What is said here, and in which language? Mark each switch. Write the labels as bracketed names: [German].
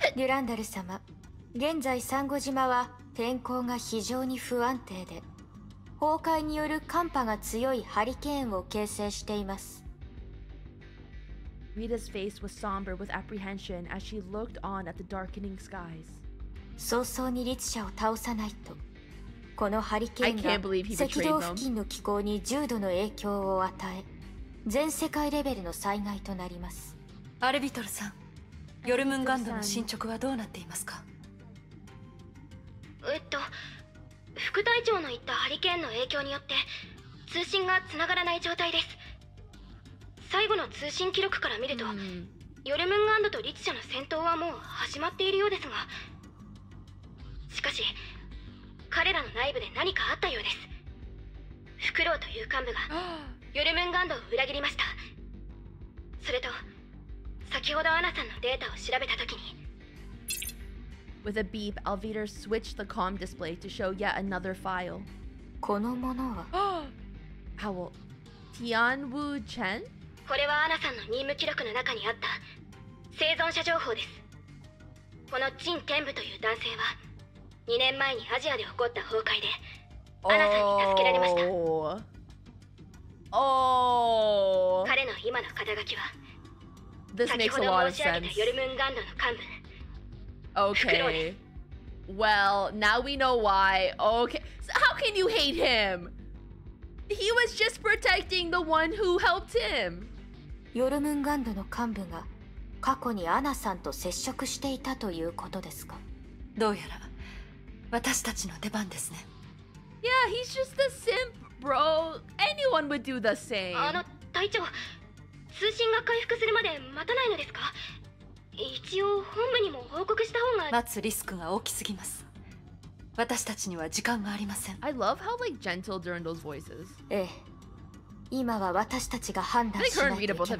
[Japanese] Yurandaru-sama, 現在 Sangojima-wa 天候が非常に不安定で 崩壊による寒波が強いハリケーンを形成しています。 [English] Rita's face was somber with apprehension as she looked on at the darkening skies. [Japanese] 早々にリツシャを倒さないとこのハリケーンが赤道付近の気候に重度の影響を与え全世界レベルの災害となります。アルビトル-san, ヨルムンガンドの進捗はどうなっていますか? えっと、副隊長の言ったハリケーンの影響によって通信がつながらない状態です。最後の通信記録から見ると、ヨルムンガンドとリツシャの戦闘はもう始まっているようですが、しかし彼らの内部で何かあったようです。フクロウという幹部がヨルムンガンドを裏切りました。それと先ほどアナさんのデータを調べたときに。 [English] With a beep, Alvider switched the comm display to show yet another file. [Japanese] このものは [English] Owl Tianwu Chen? [Japanese] これはアナさんの任務記録の中にあった生存者情報です。このチン・テンブという男性は2年前にアジアで起こった崩壊でアナさんに助けられました。彼の今の肩書きは先ほど申し上げたヨルムンガンドの幹部。 [English] Okay. Well, now we know why. Okay. So how can you hate him? He was just protecting the one who helped him. [Japanese] ヨルムンガンドの幹部が過去にアナさんと接触していたということですか。どうやら私たちの出番ですね。 [English] Yeah, he's just a simp, bro. Anyone would do the same. [Japanese] あの隊長、通信が回復するまで待たないのですか。一応本部にも報告した方が。待つリスクが大きすぎます。私たちには時間がありません。 [English] I love how like gentle Durandal's voice is. [Japanese] ええ、今は私たちが判断しないといけません。